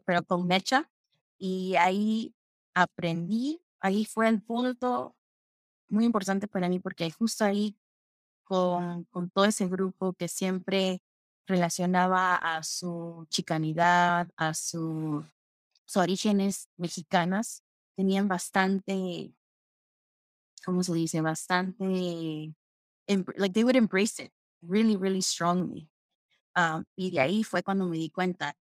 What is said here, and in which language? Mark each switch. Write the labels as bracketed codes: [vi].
[es] Pero con Mecha, y ahí aprendí, ahí fue el punto muy importante para mí, porque justo ahí con todo ese grupo que siempre relacionaba a su chicanidad, a sus orígenes mexicanas, tenían bastante, ¿cómo se dice? Bastante, [en] like they would embrace it really, really strongly. [es] Y de ahí fue cuando me di cuenta.